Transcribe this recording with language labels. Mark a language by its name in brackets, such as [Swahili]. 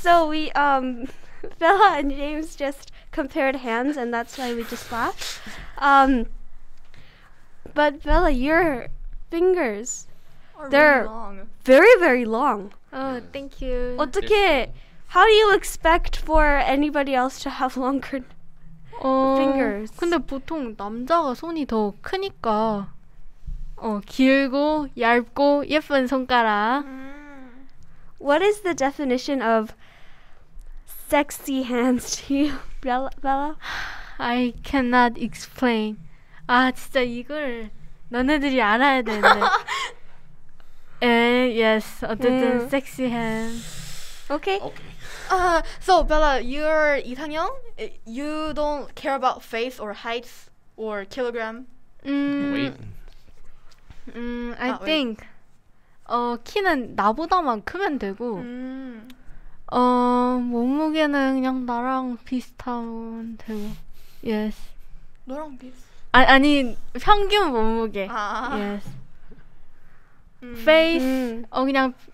[English] So we Bella and James just compared hands, and that's why we just laughed. But Bella, your fingers are they're really long. Very, very long. Oh, yes. Thank you. [Korean] 어떻게, [English] how do you expect for anybody else to have longer fingers? [Korean] 근데 보통 남자가 손이 더 크니까 길고 얇고 예쁜 손가락. Mm. [English] What is the definition of sexy hands to you, Bella? I cannot explain. [Korean] 아 진짜 이걸 너네들이 알아야 되는데. [English] yes. [Korean] 어쨌든 [English] sexy hands. Okay. Okay. So Bella, you're 이상형? You don't care about face or heights or kilogram? I think. [Korean] 키는 나보다만 크면 되고. 몸무게는 그냥 나랑 비슷하면 되고. [English] Yes. [Korean] 너랑 비슷. 아니 평균 몸무게. 아. [English] Yes. Face. [Korean] 그냥